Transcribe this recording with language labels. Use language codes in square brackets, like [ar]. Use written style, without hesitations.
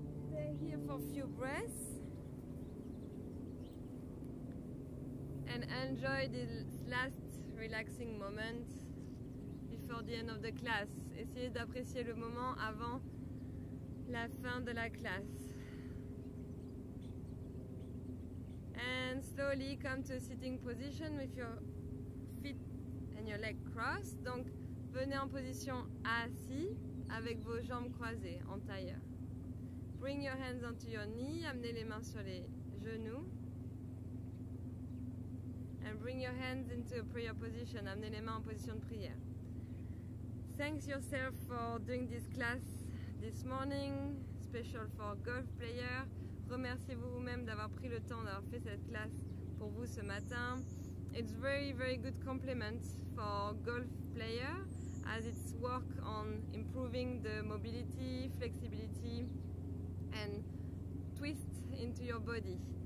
[en] Stay here for a few breaths. And enjoy this last relaxing moment. Before the end of the class. [fr] Essayez d'apprécier le moment avant la fin de la classe. [en] And slowly come to a sitting position with your feet and your leg crossed. [fr] Donc venez en position assis avec vos jambes croisées en tailleur. [en] Bring your hands onto your knee, [fr] amenez les mains sur les genoux. [en] And bring your hands into a prayer position, [fr] amenez les mains en position de prière. [en] Thanks yourself for doing this class this morning, special for golf players. [fr] Remerciez-vous vous-même d'avoir pris le temps d'avoir fait cette classe pour vous ce matin. [en] It's very, very good compliment for golf players as it's work on improving the mobility, flexibility and twist into your body.